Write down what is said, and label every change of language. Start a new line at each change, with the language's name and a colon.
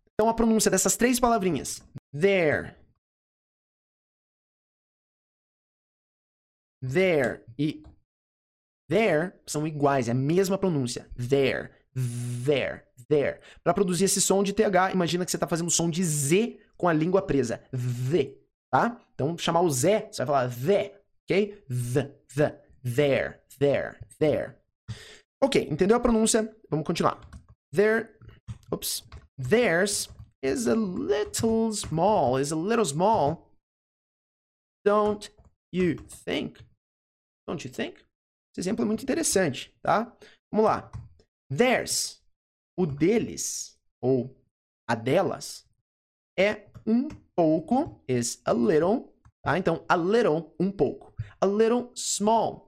Portuguese: Então, a pronúncia dessas três palavrinhas, there, there e there são iguais, é a mesma pronúncia. There, there, there. Para produzir esse som de TH, imagina que você está fazendo o som de Z com a língua presa. Z, tá? Então, chamar o Z, você vai falar the, ok?
English: The, the, there, there, there.
Portuguese: Ok, entendeu a pronúncia? Vamos continuar. There, oops.
English: Theirs is a little small, is a little small. Don't you think? Don't you think?
Portuguese: Esse exemplo é muito interessante, tá? Vamos lá. Theirs, o deles, ou a delas, é um pouco,
English: is a little,
Portuguese: tá? Então, a little, um pouco.
English: A little small.